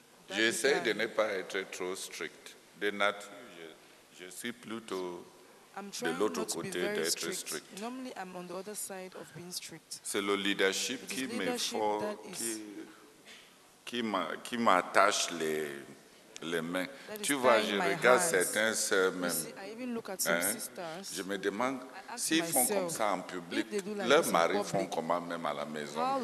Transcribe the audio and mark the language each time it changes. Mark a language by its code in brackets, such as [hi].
[fr] J'essaie de ne pas être trop strict. De nature, je suis plutôt de l'autre côté d'être strict. [en] Normally, I'm on the other side of being strict. [fr] C'est le leadership qui me force, qui m'attache les mains. Tu vois, je regarde certains sœurs même. Je me demande s'ils font comme ça en public, leurs maris font comment même à la maison.